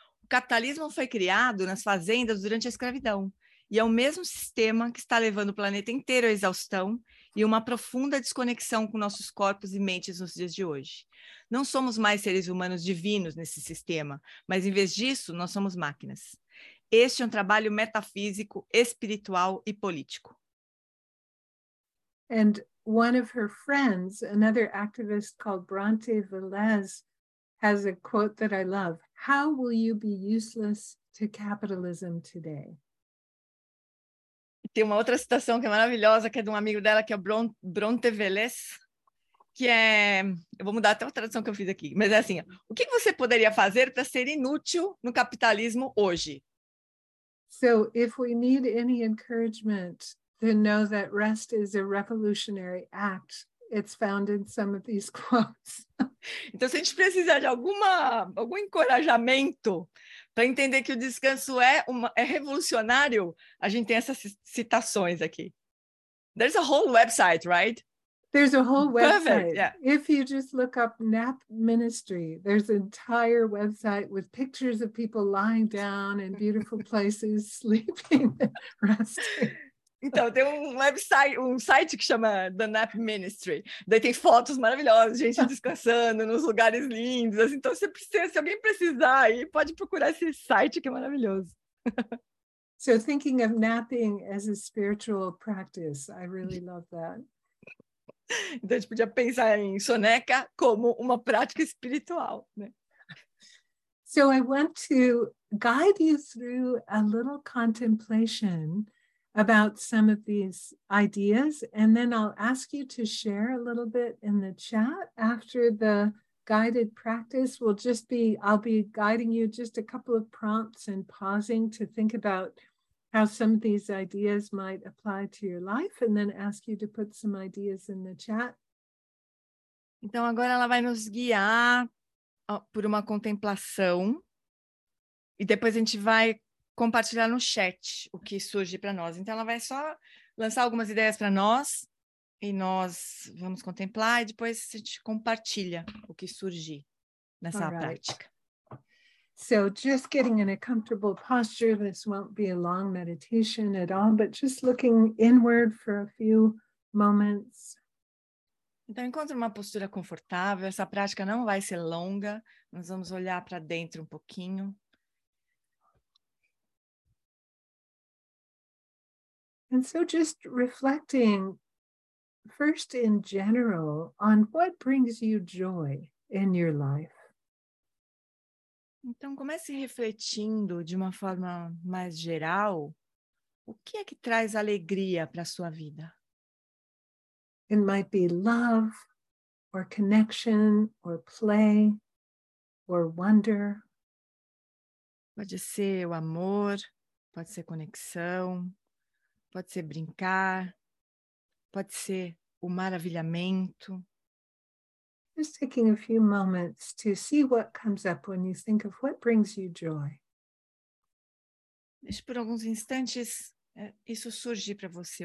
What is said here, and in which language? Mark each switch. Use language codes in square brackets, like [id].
[pt] O capitalismo foi criado nas fazendas durante a escravidão e é o mesmo sistema que está levando o planeta inteiro à exaustão e uma profunda desconexão com nossos corpos e mentes nos dias de hoje. Não somos mais seres humanos divinos nesse sistema, mas em vez disso, nós somos máquinas. Este é um trabalho metafísico, espiritual e político. [en] And one of her friends, another activist called Bronte Velez, has a quote that I love. How will you be useless to capitalism today? [pt] Tem uma outra citação que é maravilhosa, que é de um amigo dela, que é Bronte Velez, que é... Eu vou mudar até a tradução que eu fiz aqui, mas é assim, o que você poderia fazer para ser inútil no capitalismo hoje? [en] So, if we need any encouragement... To know that rest is a revolutionary act. It's found in some of these quotes. [pt] Então, se a gente precisar de algum encorajamento para entender que o descanso é revolucionário, a gente tem essas citações aqui. [en] There's a whole website, right? There's a whole website. Perfect, yeah. If you just look up NAP Ministry, there's an entire website with pictures of people lying down in beautiful places, sleeping, resting. [pt] Então, tem um website, um site que chama The NAP Ministry. Daí tem fotos maravilhosas, gente descansando nos lugares lindos. Assim. Então, se alguém precisar, aí pode procurar esse site que é maravilhoso. [en] So, thinking of napping as a spiritual practice, I really love that. [pt] Então, a gente podia pensar em soneca como uma prática espiritual, né? [en] So, I want to guide you through a little contemplation about some of these ideas, and then I'll ask you to share a little bit in the chat after the guided practice. I'll be guiding you just a couple of prompts and pausing to think about how some of these ideas might apply to your life, and then ask you to put some ideas in the chat. [pt] Então agora ela vai nos guiar por uma contemplação e depois a gente vai compartilhar no chat o que surge para nós. Então ela vai só lançar algumas ideias para nós e nós vamos contemplar e depois a gente compartilha o que surgir nessa prática. [en] So just getting in a comfortable posture, this won't be a long meditation at all, but just looking inward for a few moments. [pt] Então encontre uma postura confortável, essa prática não vai ser longa, nós vamos olhar para dentro um pouquinho. [en] And so just reflecting first in general on what brings you joy in your life. [pt] Então comece refletindo de uma forma mais geral, o que é que traz alegria para a sua vida? [en] It might be love or connection or play or wonder. [pt] Pode ser o amor, pode ser conexão. Pode ser brincar, pode ser o maravilhamento. [en] Just taking a few moments to see what comes up when you think of what brings you joy. [pt] Deixe por alguns instantes isso surgir para você.